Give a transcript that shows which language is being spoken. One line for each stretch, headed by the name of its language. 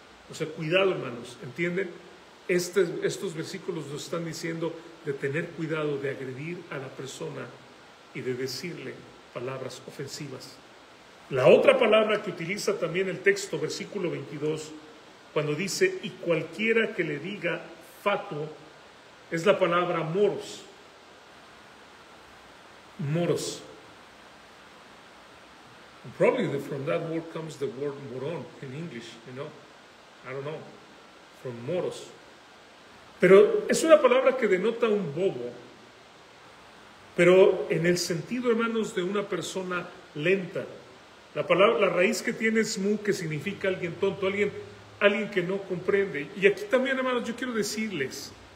Spanish: O sea, cuidado, hermanos, ¿entienden? Estos versículos nos están diciendo de tener cuidado de agredir a la persona y de decirle palabras ofensivas. La otra palabra que utiliza también el texto, versículo 22, cuando dice, y cualquiera que le diga fatuo, es la palabra moros. Moros.
English: Probably from that word comes the word moron in English, you know. I don't know. From moros.
Spanish: Pero es una palabra que denota un bobo. Pero en el sentido, hermanos, de una persona lenta. La raíz que tiene es mu, que significa alguien tonto, alguien que no comprende. Y aquí también, hermanos, yo quiero decirles.